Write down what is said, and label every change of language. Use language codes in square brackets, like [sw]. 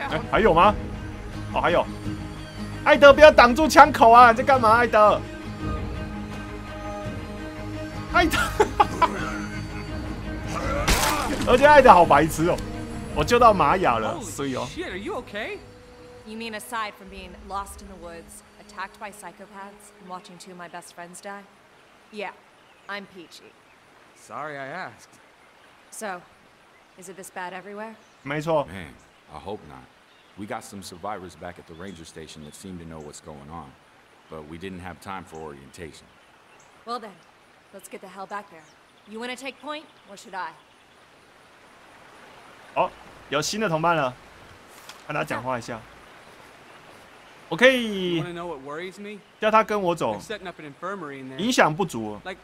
[zh] 还有吗？哦，还有。艾德，不要挡住枪口啊！你在干嘛，艾德？艾德，而且艾德好白痴哦，我救到玛雅了，所以哦。 [en] Shit, are you okay? You mean aside from being lost in the woods? Attacked by psychopaths and watching two of my best friends die? Yeah, I'm Peachy. Sorry I asked. So, is it this bad everywhere? [zh] 没错。 [en] Man, I hope not. We got some survivors back at the ranger station that seem to know what's going on, but we didn't have time for orientation. Well then, let's get the hell back there. You want to take point, or should I? [zh] 哦，有新的同伴了，跟他讲话一下。我可以叫他跟我走，影响不足。